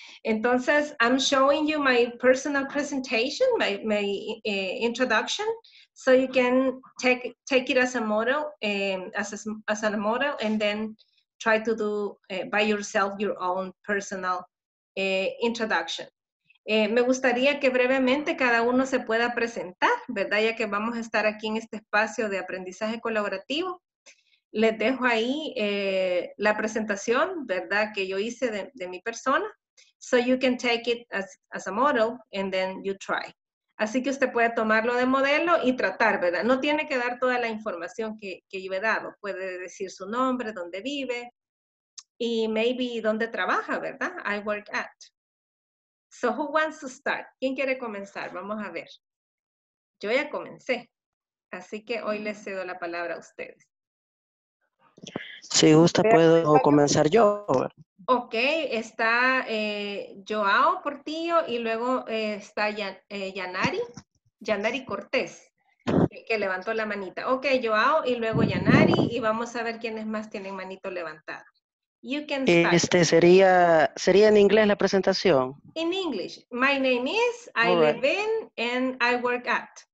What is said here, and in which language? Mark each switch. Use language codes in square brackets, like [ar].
[en] Entonces, I'm showing you my personal presentation, my introduction, so you can take it as a model, as a model, and then try to do by yourself your own personal introduction. [es] Me gustaría que brevemente cada uno se pueda presentar, ¿verdad? Ya que vamos a estar aquí en este espacio de aprendizaje colaborativo. Les dejo ahí la presentación, ¿verdad? Que yo hice de mi persona. [en] So you can take it as a model and then you try. [es] Así que usted puede tomarlo de modelo y tratar, ¿verdad? No tiene que dar toda la información que yo he dado. Puede decir su nombre, dónde vive y maybe dónde trabaja, ¿verdad? [en] I work at. So who wants to start? [es] ¿Quién quiere comenzar? Vamos a ver. Yo ya comencé. Así que hoy les cedo la palabra a ustedes. Si gusta, puedo comenzar yo. Ok, está Joao Portillo y luego está Yanari Cortés, que levantó la manita. Ok, Joao y luego Yanari, y vamos a ver quiénes más tienen manito levantado. [en] You can start. [es] ¿Sería en inglés la presentación? [en] In English. My name is, I live in, and I work at.